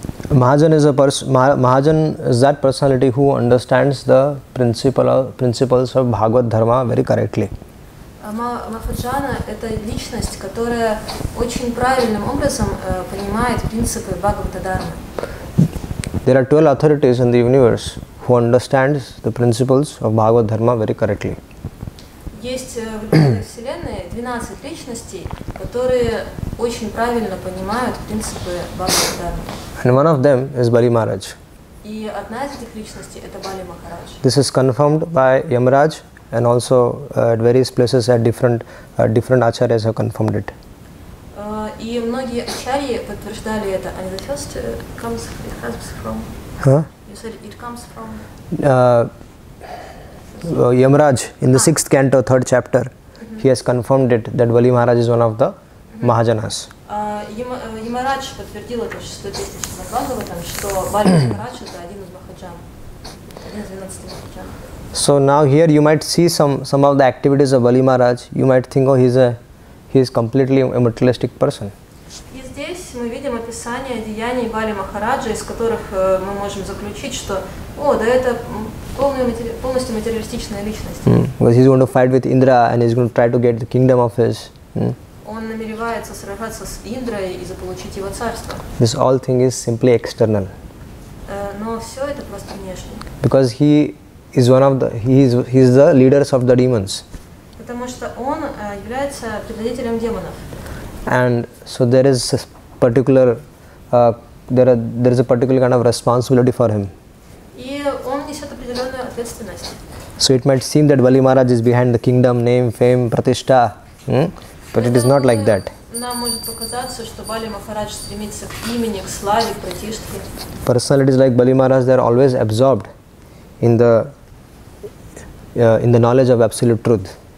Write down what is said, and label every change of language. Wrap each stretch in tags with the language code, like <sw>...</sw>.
<en>Mahajan is a Mahajan is that personality who understands the principles of Bhagavad Dharma very correctly.</en> <ru>Махаджана это личность, которая очень правильным образом понимает принципы Бхагавата Дхармы.</ru> <en>There are 12 authorities in the universe who understands the principles of Bhagavad Dharma very correctly.</en> <ru>Есть в этой вселенной 12 личностей, которые очень правильно понимают принципы Бхагавата Дхармы.</ru> <en>And one of them is Bali Maharaj.</en> <ru>И одна из этих личностей это Бали Махарадж.</ru> <en>This is confirmed by Yamaraj. And also at various places at different acharyas have confirmed it.</en> <ru>И многие ачарьи подтверждали это.</ru> <en>And the first comes it comes from. Huh? You said it comes from. Yamaraj in the 6th canto 3rd chapter, mm-hmm. he has confirmed it that Vali Maharaj is one of the mm-hmm. Mahajanas.</en> <ru>Yamaraj подтвердил это 6-й глава там, что Вали Махарадж это один из махаджан. Один из 12 махаджан.</ru> <en>So now here you might see some of the activities of Bali Maharaj. You might think, oh, he is completely a materialistic person.</en> <ru>И здесь мы видим описание деяний Бали Махараджа, из которых мы можем заключить, что, о, да, это полностью материалистичная личность.</ru> <en>Because he's going to fight with Indra and he's going to try to get the kingdom of his.</en> <ru>Он намеревается сражаться с Индрой и заполучить его царство.</ru> <en>This all thing is simply external.</en> <ru>Но все это просто внешне.</ru> <en>Because he is one of the he is the leaders of the demons.</en> <ru>Потому что он является предводителем демонов.</ru> <en>And so there is a particular there is a particular kind of responsibility for him.</en> <ru>И он несет определенную ответственность.</ru> <en>So it might seem that Bali Maharaj is behind the kingdom, name, fame, pratishtha, but it is not like that.</en> <ru>Нам может показаться, что Бали Махарадж стремится к имени, к славе, к пратиштхе.</ru> <en>Personalities like Bali Maharaj, they are always absorbed in the knowledge of absolute truth.</en>